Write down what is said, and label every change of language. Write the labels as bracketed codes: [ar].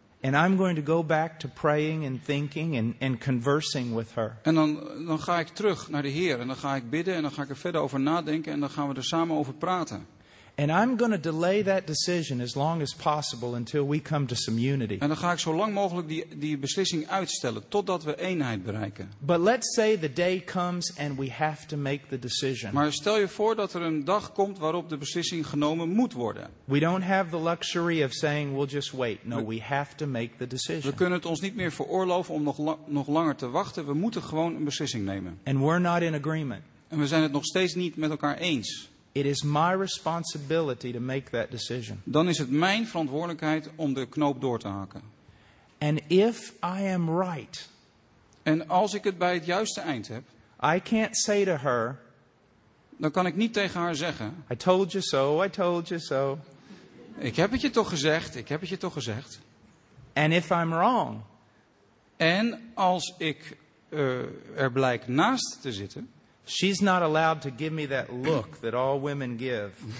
[en] And I'm going to go back to praying and thinking and conversing with her. [nl] En dan ga ik terug naar de Heer en dan ga ik bidden en dan ga ik er verder over nadenken en dan gaan we er samen over praten. [en] And I'm going to delay that decision as long as possible until we come to some unity. [nl] En dan ga ik zo lang mogelijk die beslissing uitstellen totdat we eenheid bereiken. [en] But let's say the day comes and we have to make the decision. [nl] Maar stel je voor dat er een dag komt waarop de beslissing genomen moet worden. [en] We don't have the luxury of saying we'll just wait. No, we have to make the decision. [nl] We kunnen het ons niet meer veroorloven om nog langer te wachten. We moeten gewoon een beslissing nemen. [en] And we're not in agreement. [nl] En we zijn het nog steeds niet met elkaar eens. [en] It is my responsibility to make that decision. [nl] Dan is het mijn verantwoordelijkheid om de knoop door te hakken. [en] And if I am right. [nl] En als ik het bij het juiste eind heb. [en] I can't say to her. [nl] Dan kan ik niet tegen haar zeggen. [en] I told you so, I told you so. [nl] Ik heb het je toch gezegd, ik heb het je toch gezegd. [en] And if I'm wrong. [nl] En als ik er blijk naast te zitten. [en] She's not allowed to give me that look that all women give.